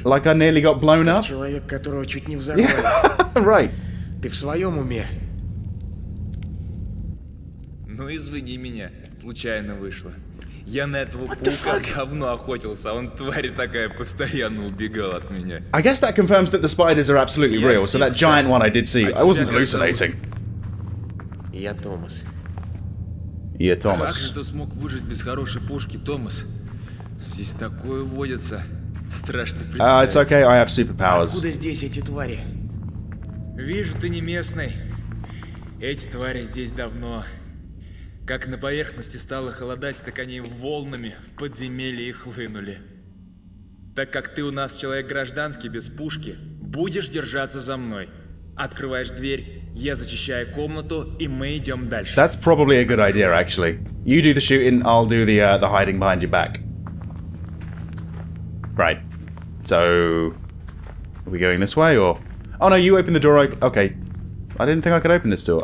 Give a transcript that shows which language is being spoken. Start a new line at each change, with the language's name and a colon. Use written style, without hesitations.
English: Like I nearly got blown up?
Russian: Человек, которого чуть не взорвали.
English: Right.
Russian: Ты в своем уме? Ну извини меня, случайно вышло. Я на этого паука давно охотился, а он тварь такая постоянно убегал от меня.
English: I guess that confirms that the spiders are absolutely real, so that giant one I did see, I wasn't hallucinating.
Russian: Я Томас. Я Томас. Как же ты смог выжить без хорошей пушки, Томас? Здесь такое водится. Страшно представить.
English: It's okay, I have superpowers.
Russian: Откуда здесь эти твари? Вижу, ты не местный. Эти твари здесь давно. Как на поверхности стало холодать, так они волнами в подземелье и хлынули. Так как ты у нас человек гражданский, без пушки, будешь держаться за мной. Открываешь дверь, я зачищаю комнату, и мы идем дальше.
English: That's probably a good idea, actually. You do the shooting, I'll do the hiding behind your back. Right. So, are we going this way, or... Oh no, you opened the door, okay. I didn't think I could open this door.